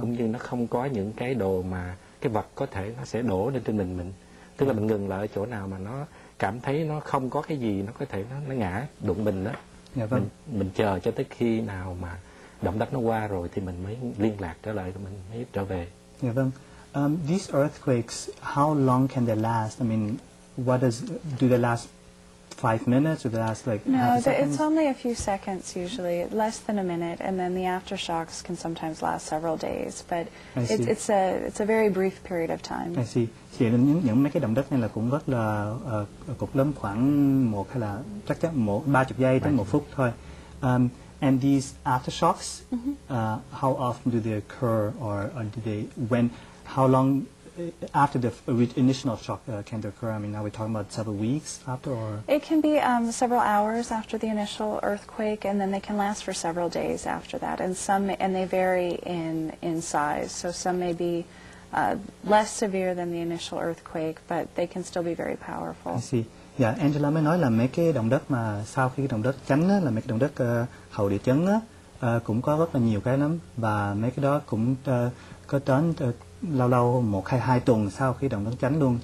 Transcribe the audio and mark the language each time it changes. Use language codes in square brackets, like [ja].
[vi] Cũng như nó không có những cái đồ mà cái vật có thể nó sẽ đổ lên trên mình. Tức là mình ngừng lại ở chỗ nào mà nó cảm thấy nó không có cái gì nó có thể nó ngã đụng mình đó. Dạ vâng. Mình chờ cho tới khi nào mà động đất nó qua rồi thì mình mới liên lạc trở lại, mình mới trở về. Dạ vâng. [en] These earthquakes, how long can they last? I mean, what does do they last 5 minutes or they last like no, half a second? No, it's only a few seconds usually, less than a minute, and then the aftershocks can sometimes last several days, but it's a very brief period of time. I see. [vi] Thì những mấy cái động đất này là cũng rất là cục lớn, khoảng một hay là chắc chắn một 30 giây tới 1 phút thôi. [en] And these aftershocks, how often do they occur or do they when how long after the initial shock can they occur? I mean, are we talking about several weeks after or? It can be several hours after the initial earthquake, and then they can last for several days after that. And they vary in size. So some may be less severe than the initial earthquake, but they can still be very powerful. I see. [vi] Yeah, Angela mới nói là mấy cái động đất mà sau khi cái động đất chấn á, là mấy cái động đất hậu địa chấn á, cũng có rất là nhiều cái lắm. Và mấy cái đó cũng có đến lâu lâu một hay hai tuần sau khi động đất chấn luôn.